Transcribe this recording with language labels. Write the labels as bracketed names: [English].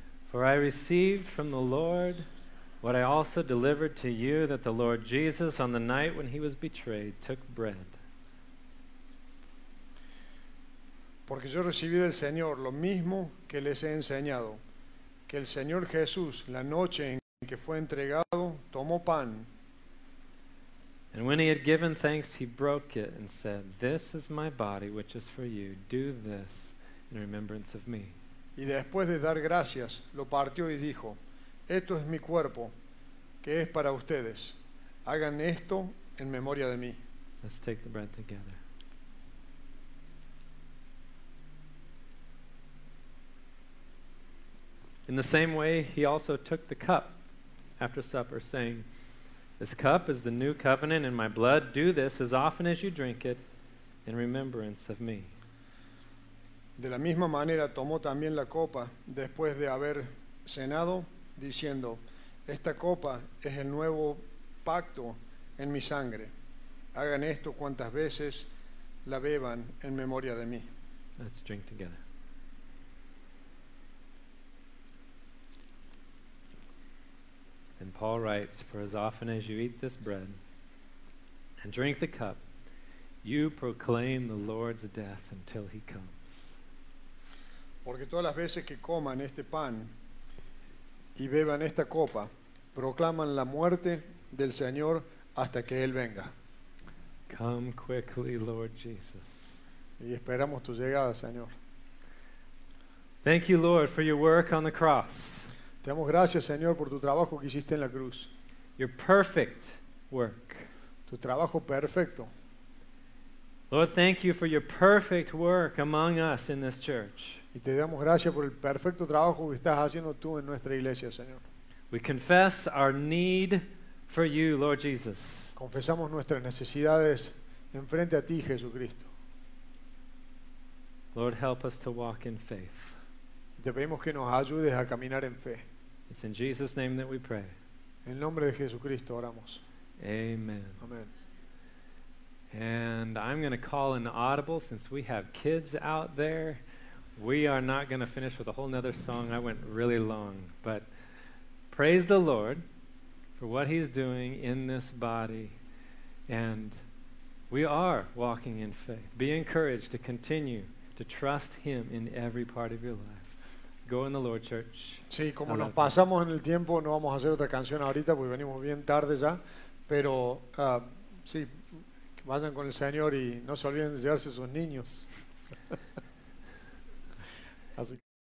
[English] For I received from the Lord what I also delivered to you, that the Lord Jesus, on the night when he was betrayed, took bread. [Spanish] Porque yo recibí del Señor lo mismo que les he enseñado. Que el Señor Jesús, la noche en que fue entregado, tomó pan. [English] And when he had given thanks, he broke it and said, "This is my body, which is for you. Do this in remembrance of me." [Spanish] Y después de dar gracias, lo partió y dijo, "Esto es mi cuerpo, que es para ustedes. Hagan esto en memoria de mí." [English] Let's take the bread together. In the same way, he also took the cup after supper, saying, "This cup is the new covenant in my blood. Do this as often as you drink it in remembrance of me." [Spanish] De la misma manera, tomó también la copa después de haber cenado, diciendo, "Esta copa es el nuevo pacto en mi sangre. Hagan esto cuantas veces la beban en memoria de mí." [English] Let's drink together. And Paul writes, "For as often as you eat this bread and drink the cup, you proclaim the Lord's death until he comes." [Spanish] Porque todas las veces que coman este pan y beban esta copa, proclaman la muerte del Señor hasta que él venga. [English] Come quickly, Lord Jesus. [Spanish] Y esperamos tu llegada, Señor. [English] Thank you, Lord, for your work on the cross. [Spanish] Te damos gracias, Señor, por tu trabajo que hiciste en la cruz. [English] Your perfect work. [Spanish] Tu trabajo perfecto. [English] Lord, thank you for your perfect work among us in this church. [Spanish] Y te damos gracias por el perfecto trabajo que estás haciendo tú en nuestra iglesia, Señor. [English] We confess our need for you, Lord Jesus. [Spanish] Confesamos nuestras necesidades en frente a ti, Jesucristo. [English] Lord, help us to walk in faith. [Spanish] Te pedimos que nos ayudes a caminar en fe. [English] It's in Jesus' name that we pray. [Spanish] En el nombre de Jesucristo oramos. [English] Amen. [Spanish] Amen. [English] And I'm going to call an audible since we have kids out there. We are not going to finish with a whole nother song. I went really long. But praise the Lord for what he's doing in this body. And we are walking in faith. Be encouraged to continue to trust him in every part of your life. Go in the Lord, church. [Spanish] Sí, como nos pasamos en el tiempo, no vamos a hacer otra canción ahorita porque venimos bien tarde ya, pero sí, que vayan con el Señor y no se olviden de llevarse sus niños. Así que